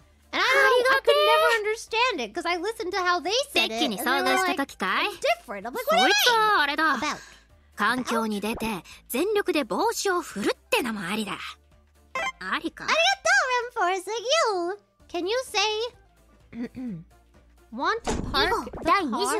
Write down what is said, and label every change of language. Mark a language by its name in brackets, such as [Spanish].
[English] And I don't know, I could never understand it because I listened to how they said it. [Japanese] デッキに遭遇した時かい? [English] It's different. I'm like, what do you mean? [Japanese] そいつはあれだ。環境に出て全力で帽子を振るってのもありだ。ありか。ありがとう、 [English] Ram Force. Thank you. Can you say, want to park the car about the harbor center?